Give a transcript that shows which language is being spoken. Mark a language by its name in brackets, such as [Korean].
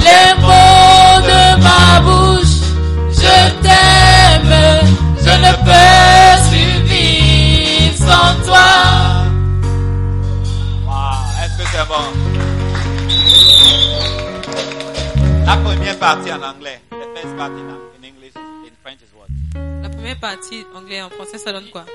[French] les mots de ma bouche, je t'aime, je ne peux survivre sans toi. Wow, est-ce que c'est bon? La première partie en anglais. [English] The first part in English, in French is what? [French] La première partie en anglais, en français, ça donne quoi?